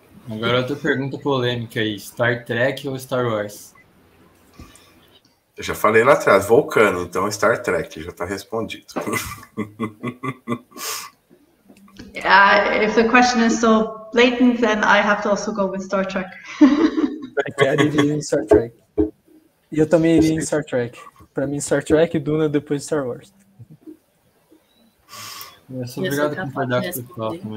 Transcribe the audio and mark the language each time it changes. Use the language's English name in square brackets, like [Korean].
[Portuguese] Agora outra pergunta polêmica aí. Star Trek ou Star Wars? Eu já falei lá atrás, Vulcano, então Star Trek, já está respondido. [English] If the question is so blatant, then I have to also go with Star Trek. [Portuguese] I quero ir em Star Trek. E eu também iria em Star Trek. Para mim, Star Trek, Duna, depois Star Wars. Eu sou obrigado por concordar com o pessoal.